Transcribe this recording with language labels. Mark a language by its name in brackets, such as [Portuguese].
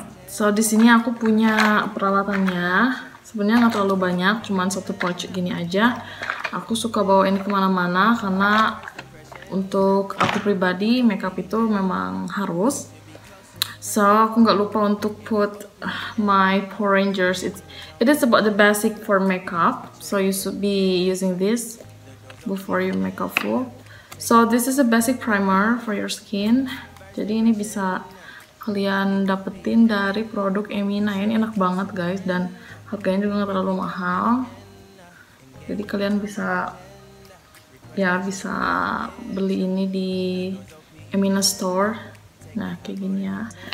[Indonesian] So di sini aku punya peralatannya. Sebenarnya gak terlalu banyak, cuma satu pouch gini aja. Aku suka bawa ini kemana-mana karena untuk aku pribadi makeup itu memang harus. So aku nggak lupa untuk [English] put my Power Rangers. It is about the basic for makeup. So you should be using this before your makeup full. So this is a basic primer for your skin. [Indonesian] Jadi ini bisa kalian dapetin dari produk Emina. Ini enak banget guys dan harganya juga nggak terlalu mahal. Jadi kalian bisa ya bisa beli ini di Emina store. Nah kayak gini ya.